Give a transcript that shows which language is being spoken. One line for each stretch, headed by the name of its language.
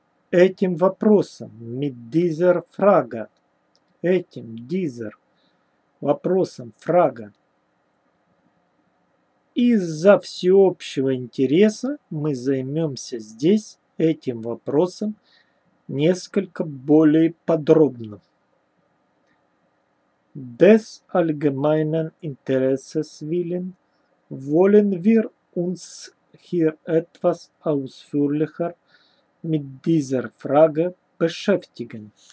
Russian: этим вопросом,
German: mit dieser Frage, этим, dieser, вопросом, Frage.
Russian: Из-за всеобщего интереса мы займемся здесь этим вопросом несколько более подробно.
German: Des allgemeinen Interesses willen wollen wir uns hier etwas ausführlicher mit dieser Frage beschäftigen.